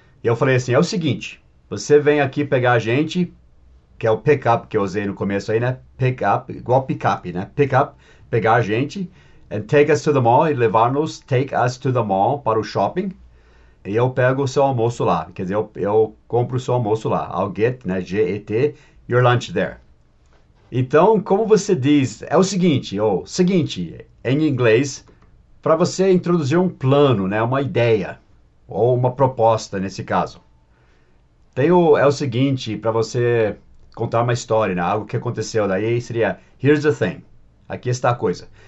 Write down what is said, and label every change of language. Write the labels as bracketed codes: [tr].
[pt] E eu falei assim, é o seguinte, você vem aqui pegar a gente, que é o pickup que eu usei no começo aí, né? Pickup, igual pickup, né? Pickup, pegar a gente. [en] And take us to the mall, [pt] e levar-nos, [en] take us to the mall, [pt] para o shopping. E eu pego o seu almoço lá, quer dizer, eu compro o seu almoço lá. [en] I'll get, né, G-E-T, your lunch there. [pt] Então, como você diz, é o seguinte, ou seguinte, em inglês, para você introduzir um plano, né, uma ideia, ou uma proposta, nesse caso. Tem o, é o seguinte, para você contar uma história, né, algo que aconteceu, daí seria, [en] here's the thing, [pt] aqui está a coisa.